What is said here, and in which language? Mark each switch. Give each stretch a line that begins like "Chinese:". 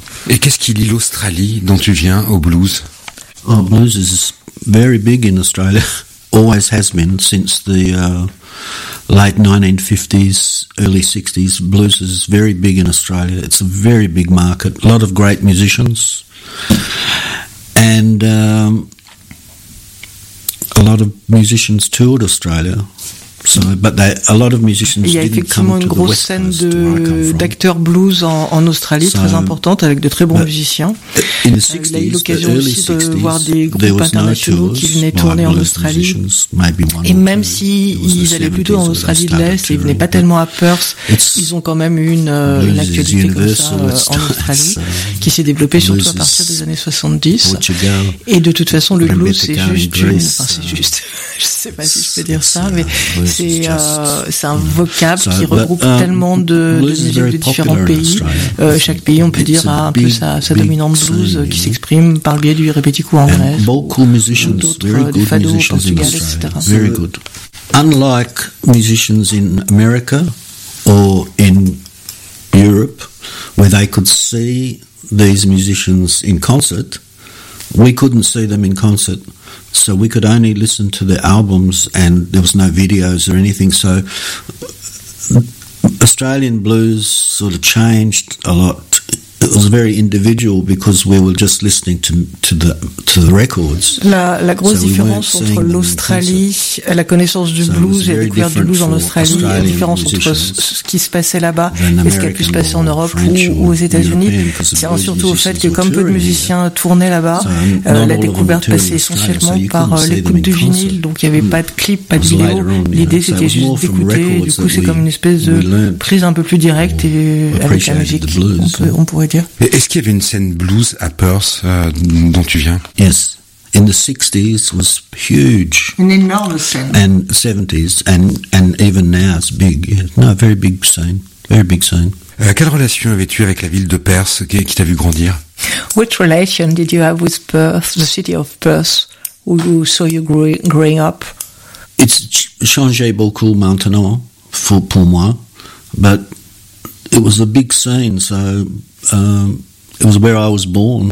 French: Et qu'est-ce qui lie l'Australie dont tu viens au blues?
English: Oh, blues is very big in Australia. Always has been since the late 1950s, early 60s. Blues is very big in Australia. It's a very big market. A lot of great musicians. And a lot of musicians toured Australia.
French: Il y a effectivement une grosse scène d'acteurs blues en Australie, très importante, avec de très bons musiciens. Il a eu l'occasion aussi de voir des groupes internationaux qui venaient tourner en Australie. Et même s'ils allaient plutôt en Australie de l'Est, ils ne venaient pas tellement à Perth, ils ont quand même eu une actualité comme ça en Australie, qui s'est développée surtout à partir des années 70. Et de toute façon, le blues, c'est juste je ne sais pas si je peux dire ça, mais c'est un vocable qui regroupe tellement de musiques de différents pays. Chaque pays, on peut dire, a un peu sa dominante blues qui s'exprime par le biais du répético en Grèce, d'autres fado au Portugal, etc.
English: Very good. Unlike musicians in America or in Europe, where they could see these musicians in concert, we couldn't see them in concert. So we could only listen to the albums, and there was no videos or anything. So Australian blues sort of changed a lot it was very individual because we were just listening to the records.
French: La grosse différence entre l'Australie, la connaissance du blues et la découverte du blues en Australie, la différence entre ce qui se passait là-bas et ce qui a pu se passer en Europe ou aux États-Unis, c'est surtout au fait que comme peu de musiciens tournaient là-bas, la découverte passait essentiellement par l'écoute du vinyle, donc il n'y avait pas de clip, pas de vidéo. L'idée c'était juste d'écouter, du coup c'est comme une espèce de prise un peu plus directe et avec la musique. On pourrait dire. Mais est-ce qu'il y avait une scène blues à Perth dont tu viens?
English: Yes. In the 60s was huge. An enormous scene. And 70s and even now it's big. No, very big scene. Very big scene.
French: Quelle relation avais-tu avec la ville de Perth qui t'a vu grandir?
English: Which relation did you have with Perth, the city of Perth, who you saw you growing up? It's
French: changé beaucoup maintenant pour moi,
English: but it was a big scene, so it was where I was born.